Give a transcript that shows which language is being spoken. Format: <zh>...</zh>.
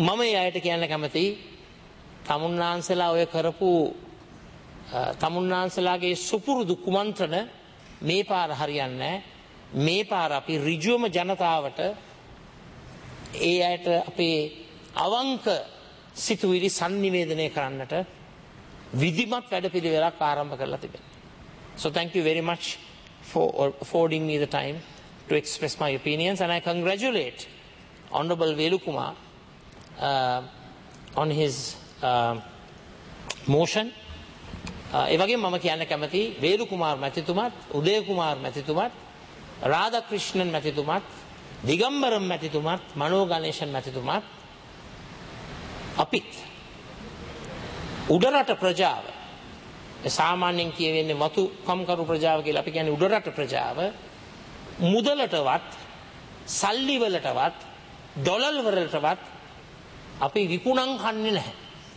<si>මම ඒ අයට කියන්න කැමතියි, තමුන්නාන්සලා ඔය කරපු තමුන්නාන්සලාගේ සුපුරුදු කුමන්ත්‍රණ මේ පාර හරියන්නේ නැහැ. මේ පාර අපි ඍජුවම ජනතාවට ඒ අයට අපේ අවංක සිතුවිලි sannivedanaya කරන්නට විධිමත් වැඩපිළිවෙලක් ආරම්භ කරලා තිබෙනවා.</si> <en>So thank you very much for affording me the time to express my opinions, and I congratulate Honorable Velukuma on his motion.</en> <si>එවගේම මම කියන්න කැමතියි වේලු කුමාර් මැතිතුමත්, උදේ කුමාර් මැතිතුමත්, රාධා ක්‍රිෂ්ණන් මැතිතුමත්, දිගම්බරම් මැතිතුමත්, මනෝ ගණේෂන් මැතිතුමත්, අපිත් උඩරට ප්‍රජාව, සාමාන්‍යයෙන් කියවෙන්නේ මතු කම්කරු ප්‍රජාව කියලා අපි කියන්නේ උඩරට ප්‍රජාව, මුදලටවත් සල්ලිවලටවත් ඩොලල්වලටවත් අපි විකුණම් කන්නේ නැහැ.</si>